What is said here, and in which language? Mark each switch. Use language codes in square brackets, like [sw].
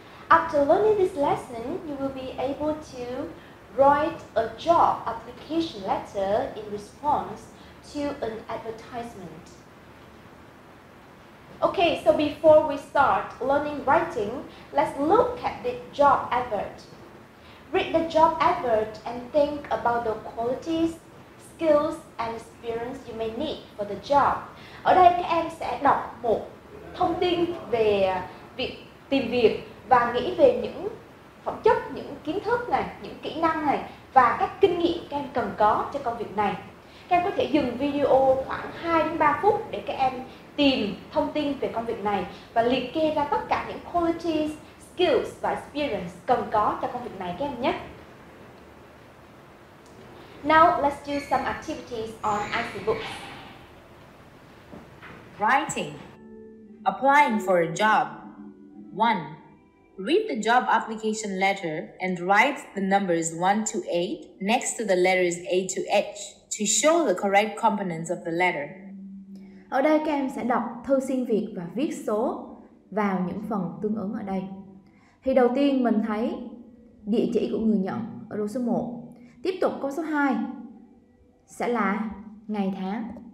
[en] After learning this lesson, you will be able to write a job application letter in response to an advertisement. Okay, so before we start learning writing, let's look at the job advert. Read the job advert and think about the qualities, skills and experience you may need for the job. [vi] Ở đây các em sẽ đọc một thông tin về việc tìm việc và nghĩ về những phẩm chất, những kiến thức này, những kỹ năng này và các kinh nghiệm các em cần có cho công việc này. Các em có thể dừng video khoảng 2 đến 3 phút để các em tìm thông tin về công việc này và liệt kê ra tất cả những qualities, skills và experience cần có cho công việc này các em nhé. [en] Now, let's do some activities on IseeBooks. Writing. Applying for a job. 1. Read the job application letter and write the numbers 1 to 8 next to the letters A to H to show the correct components of the letter. [vi] Ở đây các em sẽ đọc thư xin việc và viết số vào những phần tương ứng ở đây. Thì đầu tiên mình thấy địa chỉ của người nhận ở row số 1. Tiếp tục câu số 2 sẽ là ngày tháng.